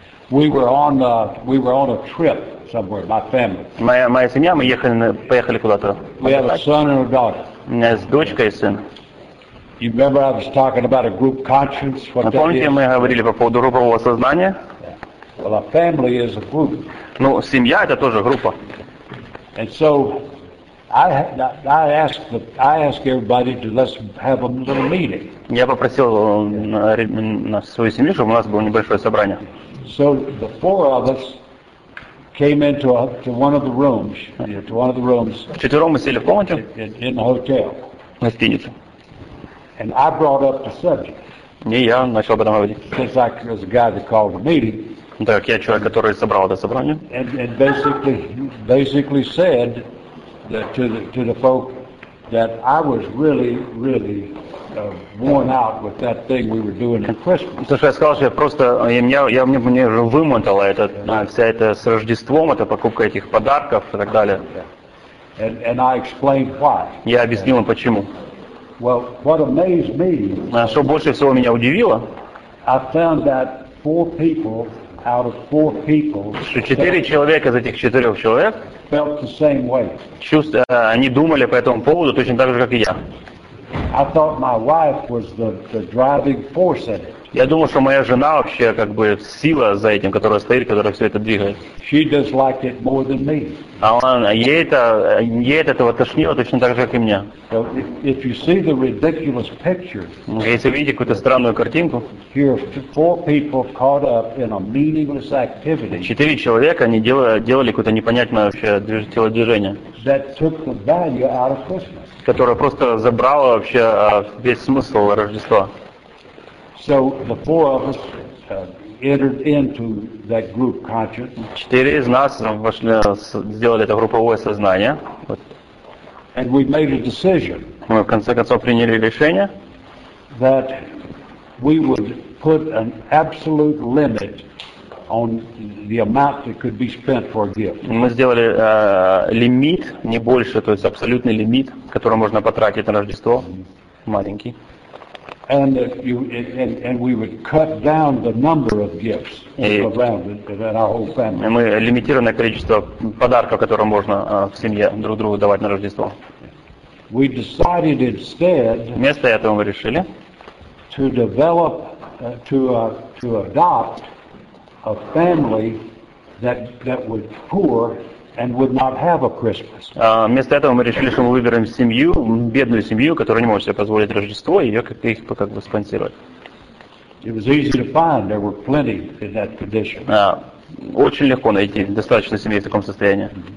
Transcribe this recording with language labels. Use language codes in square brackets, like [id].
[en] We were on a trip somewhere. My family. [ru] Моя семья, мы поехали куда-то. [en] We had a son and a daughter. [ru] У меня есть дочка и сын. [en] You remember I was talking about a group conscience? [ru] Помните, мы говорили по поводу группового сознания? [en] Yeah. Well, a family is a group. [ru] Ну, семья это тоже группа. [en] And so I asked everybody to let's have a little meeting. [ru] Я попросил на свою семью, чтобы у нас было небольшое собрание. [en] So the four of us came into one of the rooms. [ru] Вчетвером мы сели в комнате. [en] In the hotel. [ru] В гостинице. [en] And I brought up the subject. [ru] И я начал об этом говорить. [en] Since I was the guy that called the meeting. [ru] Так как я человек, который собрал это собрание. [en] And basically said that to the folk that I was really, really worn out with that thing we were doing at Christmas. [ru] То, что я сказал, что я просто, мне уже вымотало это, вся это с Рождеством, это покупка этих подарков и так далее. [en] And I explained why. [ru] Я объяснил им почему. [en] Well, what amazed me. [ru] Что больше всего меня удивило. [en] I found that four people out of four people, [ru] что четыре человека из этих четырех человек [en] felt the same way. [ru] Они думали по этому поводу точно так же, как и я. [en] I thought my wife was the driving force in it. [ru] Я думал, что моя жена вообще как бы сила за этим, которая стоит, которая все это двигает. [en] She does like it more than me. [ru] А ей от этого тошнило точно так же, как и мне. [en] So if you see the ridiculous picture, [ru] если вы видите какую-то странную картинку, [en] here are four people caught up in a meaningless activity. [ru] Четыре человека, они делали какое-то непонятное вообще телодвижение. [en] That took the value out of Christmas. [ru] Которая просто забрала вообще весь смысл Рождества. [en] So the four of us entered into that group consciousness. [ru] Четыре из нас вошли, сделали это групповое сознание. [en] And we made a decision. [ru] Мы в конце концов приняли решение. [en] That we would put an absolute limit on the amount that could be spent for a gift. [ru] Мы сделали лимит, не больше, то есть абсолютный лимит, который можно потратить на Рождество, маленький. [en] And we would cut down the number of gifts around in our whole family. [ru] Мы лимитированное количество подарков, которые можно в семье друг другу давать на Рождество. [en] We decided instead. [ru] Вместо этого мы решили [en] to develop to adopt a family that was poor and would not have a Christmas. [ru] Вместо этого мы решили, что мы выберем семью, бедную семью, которая не может себе позволить Рождество, и ее как бы спонсировать. [en] It was easy to find. There were plenty in that condition. [ru] Очень легко найти достаточно семей в таком состоянии.